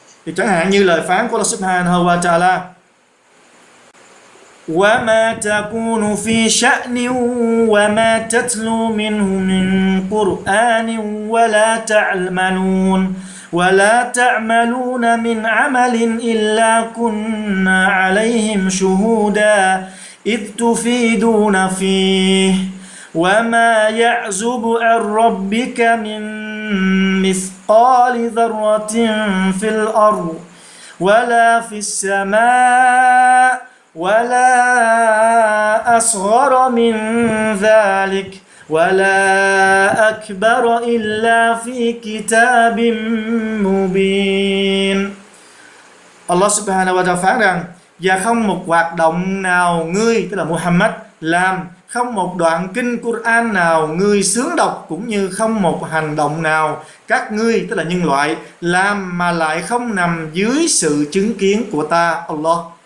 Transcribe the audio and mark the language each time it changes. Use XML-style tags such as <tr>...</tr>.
<vi>Thì chẳng hạn như lời phán của Allah subhanahu wa ta'ala:</vi> <ar>"Wa ma takunu fi sha'nin wa ma tatlu minhu min Qur'anin wa la ta'malun" وَلَا تَعْمَلُونَ مِنْ عَمَلٍ إِلَّا كُنَّا عَلَيْهِمْ شُهُودًا إِذْ تُفِيدُونَ فِيهِ وَمَا يَعْزُبُ عَنْ رَبِّكَ مِنْ مِثْقَالِ ذَرَّةٍ فِي الْأَرْضِ وَلَا فِي السَّمَاءِ وَلَا أَصْغَرَ مِنْ ذَلِكَ وَلَا أَكْبَرَ إِلَّا فِي كِتَابٍ مُّبِينٍ.</ar> <vi>Allah subhanahu wa ta'ala phán rằng: "Và không một hoạt động nào ngươi, tức là Muhammad, làm, không một đoạn kinh Quran nào ngươi sướng đọc, cũng như không một hành động nào các ngươi, tức là nhân loại, làm mà lại không nằm dưới sự chứng kiến của ta, Allah,</vi>